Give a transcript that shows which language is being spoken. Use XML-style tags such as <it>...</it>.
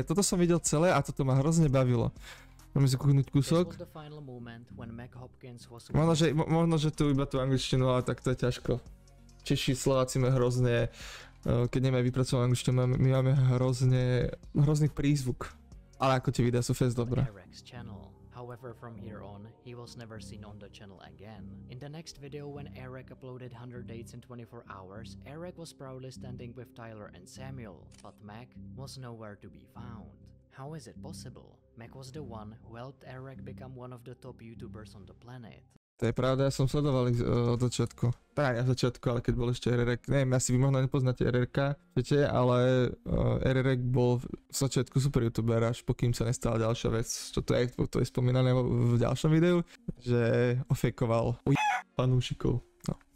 <sk>Toto som videl celé a toto ma hrozne bavilo. Môžeme si kúknuť kúsok. Možno, že tu iba tú angličtinu, ale tak to je ťažko. Češi, Slováci máme hrozne, keď nemajú vypracovanú angličtinu, my máme hrozne, hrozný prízvuk. Ale ako tie videá sú fest dobré.</sk> <en>However, from here on, he was never seen on the channel again. In the next video, when Eric uploaded 100 dates in 24 hours, Eric was proudly standing with Tyler and Samuel, but Mac was nowhere to be found. How is it possible? Mac was the one who helped Eric become one of the top YouTubers on the planet.</en> <sk>To je pravda, ja som sledoval ich od začiatku. Tak aj na začiatku, ale keď bol ešte Eric, neviem, asi vy možno nepoznáte Erika, viete, ale Eric bol v začiatku super YouTuber, až pokým sa nestala ďalšia vec, čo to je spomínané v ďalšom videu, že ofejkoval fanúšikov. No.</sk>